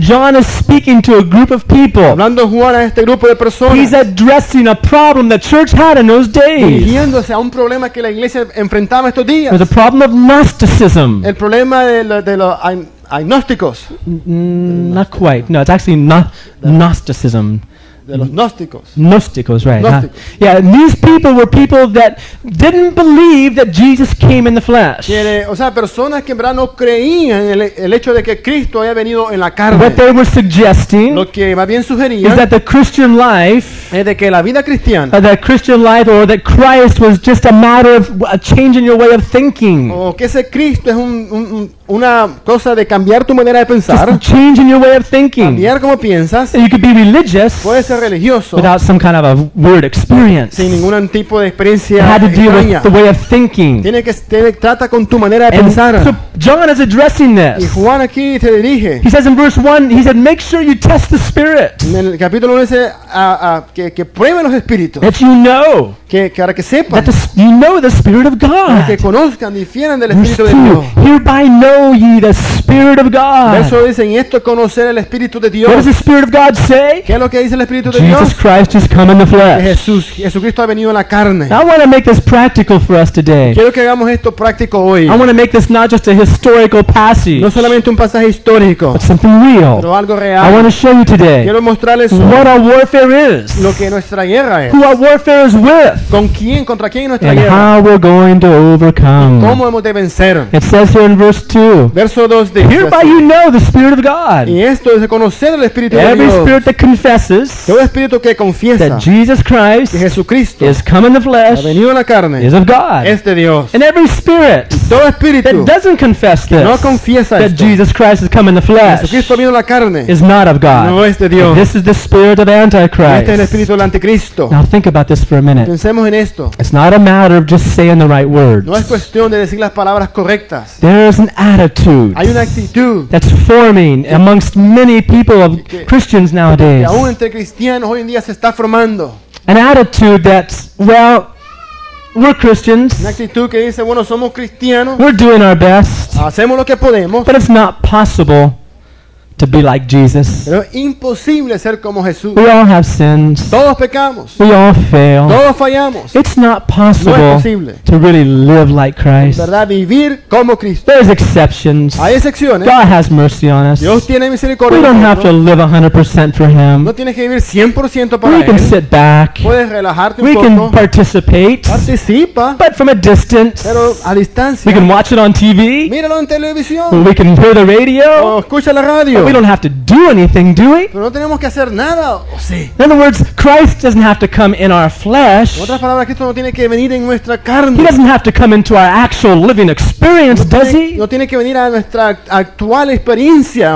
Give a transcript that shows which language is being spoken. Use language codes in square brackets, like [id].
[en] John is speaking to a group of people. [es] Hablando Juan a este grupo de personas. [en] He's addressing a problem the church had in those days. [es] Dirigiéndose a un problema que la iglesia enfrentaba estos días. [en] There's a problem of Gnosticism. [es] El problema de los agnósticos. [en] Not quite. No, it's actually Gnosticism. [es] Gnosticos, [en] right. Yeah, these people were people that didn't believe that Jesus came in the flesh. [es] O sea, personas que en verdad no creían el hecho de que Cristo había venido en la carne. [en] What they were suggesting [es] lo que más bien sugerían [en] is that the Christian life [es] es de que la vida cristiana [en] that Christian life or that Christ was just a matter of a change in your way of thinking. [es] O que ese Cristo es una cosa de cambiar tu manera de pensar. [en] Just change in your way of thinking. [es] Cambiar como piensas. [en] And you could be religious [es] religioso, [en] without some kind of a weird experience. [es] Sin ningún tipo de experiencia. [en] Had to deal [es] extraña. [en] With the way of thinking. [es] Tiene que trata con tu manera de pensar. [en] So John is addressing this. [es] Y Juan aquí te dirige. [en] He says in verse 1, he said, make sure you test the spirit. [es] En el capítulo 1 dice que prueben los espíritos. [en] That you know. [es] Que ahora que sepan. [en] That you know the spirit of God. [es] Que conozcan, difieran del espíritu de Dios. [en] Hereby know ye the spirit of God. [es] Verso dice, en esto conocer el espíritu de Dios. [en] What does the spirit of God say? [es] ¿Qué es lo que dice el espíritu de [en] Jesus [es] Dios? [en] Jesus Christ has come in the flesh. [es] Jesús, Jesucristo ha venido en la carne. [en] I want to make this practical for us today. [es] Quiero que hagamos esto práctico hoy. [en] I want to make this not just a historical passage. [es] No solamente un pasaje histórico. [en] But something real. [es] Pero algo real. [en] I want to show you today. [es] Quiero mostrarles [en] what our warfare is. [es] Lo que nuestra guerra es. [en] Who our warfare is with. [es] ¿Con quién, contra quién nuestra [en] and [es] guerra? [en] How we're going to overcome. [es] ¿Y cómo hemos de vencer? [en] It says here in verse 2. [es] Verso 2 dice, [en] hereby you know the Spirit of God. [es] Y esto es de conocer el Espíritu de Dios. [en] Every spirit that confesses [es] todo espíritu que confiesa [en] that Jesus Christ [es] que Jesucristo [en] is come in the flesh [es] ha venido en la carne [en] is of God. [es] Es de Dios. [en] And every spirit [es] todo espíritu [en] that doesn't confess [es] que [en] this [es] no confiesa [en] that [es] esto. [en] Jesus Christ has come in the flesh [es] Jesucristo ha venido en la carne [en] is not of God. [es] No es de Dios. [en] And this is the spirit of Antichrist. [es] Este es el espíritu del Anticristo. [en] Now think about this for a minute. [es] Pensemos en esto. [en] It's not a matter of just saying the right words. [es] No es cuestión de decir las palabras correctas. [en] There is an attitude. [es] Hay una actitud. [en] That's forming amongst many people of Christians nowadays. [es] Y aún entre cristianos hoy en día se está formando. [en] An attitude that's, well, we're Christians. [es] Una actitud que dice, bueno, somos cristianos. [en] We're doing our best. [es] Hacemos lo que podemos. [en] But it's not possible to be like Jesus. [es] Pero imposible ser como Jesús. [en] We all have sins. [es] Todos pecamos. [en] We all fail. [es] Todos fallamos. [en] It's not possible. [es] No es posible. [en] To really live like Christ. [es] En verdad, vivir como Cristo. [en] There's exceptions. [es] Hay excepciones. [en] God has mercy on us. [es] Dios tiene misericordia. [en] We don't have to live 100% for Him. [es] No tienes que vivir 100% para [en] we [es] Él. [en] Can sit back. [es] Puedes relajarte [en] we [es] un poco. [en] Can participate. [es] Participa. [en] But from a distance. [es] Pero a distancia. [en] We can watch it on TV. [es] Míralo en televisión. [en] We can hear the radio. [es] O escucha la radio. [en] But we don't have to do anything, do we? [es] Pero no tenemos que hacer nada, ¿o sí? [en] In other words, Christ doesn't have to come in our flesh. [es] En otras palabras, Cristo no tiene que venir en nuestra carne. [en] He doesn't have to come into our actual living experience, [es] no tiene, [en] does he? [es] No tiene que venir a nuestra actual experiencia.